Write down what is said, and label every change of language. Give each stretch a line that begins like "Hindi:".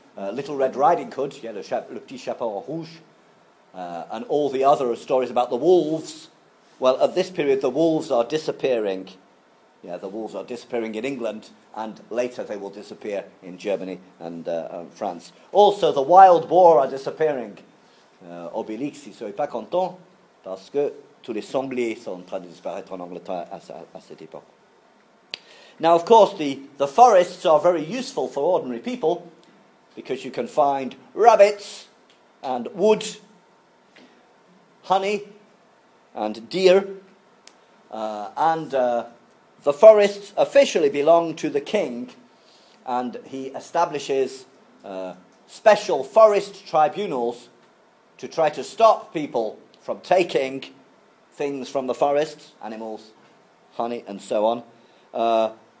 English: Little Red Riding Hood, Le Petit Chapeau Rouge, and all the other stories about the wolves. Well, at this period, the wolves are disappearing. Yeah, the wolves are disappearing in England, and later they will disappear in Germany and France. Also, the wild boar are disappearing.
French: Obélix, il ne serait pas content, parce que tous les sangliers sont en train de disparaître en Angleterre à cette époque.
English: Now, of course, the forests are very useful for ordinary people, because you can find rabbits and wood, honey and deer. The forests officially belong to the king, and he establishes special forest tribunals to try to stop people from taking things from the forest, animals, honey and so on.